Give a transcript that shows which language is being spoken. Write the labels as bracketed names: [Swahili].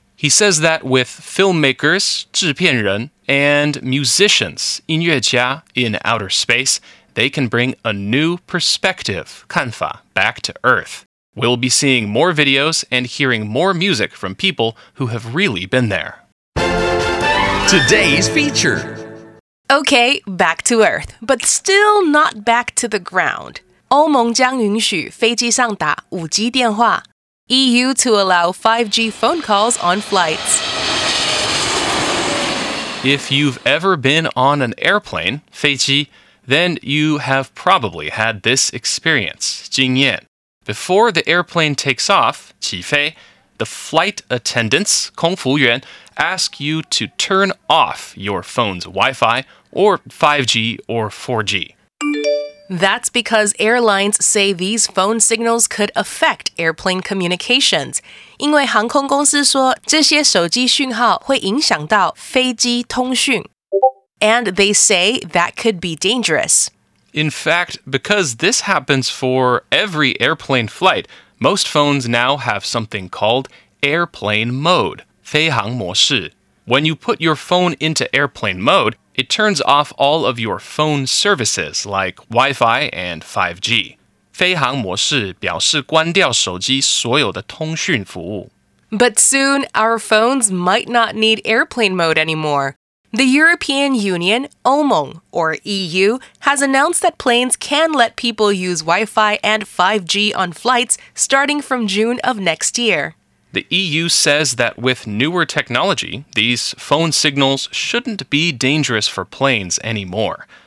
[English] He says that with filmmakers, [Chinese] 制片人, [English] and musicians, [Chinese] 音乐家, [English] in outer space, they can bring a new perspective, [Chinese] 看法, [English] back to Earth. We'll be seeing more videos and hearing more music from people who have really been there. Today's feature. Okay, back to Earth, but still not back to the ground. [Chinese] 欧盟将允许飞机上打 5G 电话。 [English] EU to allow 5G phone calls on flights. If you've ever been on an airplane, [Chinese] 飞机, [English] then you have probably had this experience, [Chinese] 经验. [English] Before the airplane takes off, [Chinese] 起飞, [English] the flight attendants, [Chinese] 空服员, [English] ask you to turn off your phone's Wi-Fi or 5G or 4G. That's because airlines say these phone signals could affect airplane communications. [Chinese] 因为航空公司说这些手机讯号会影响到飞机通讯。 [English] And they say that could be dangerous. In fact, because this happens for every airplane flight, most phones now have something called airplane mode, [Chinese] 飞行模式。 [English] When you put your phone into airplane mode, it turns off all of your phone services like Wi-Fi and 5G. [Chinese] 飞行模式表示关掉手机所有的通讯服务。 [English] But soon, our phones might not need airplane mode anymore. The European Union, OMONG, or EU, has announced that planes can let people use Wi-Fi and 5G on flights starting from June of next year. The EU says that with newer technology, these phone signals shouldn't be dangerous for planes anymore.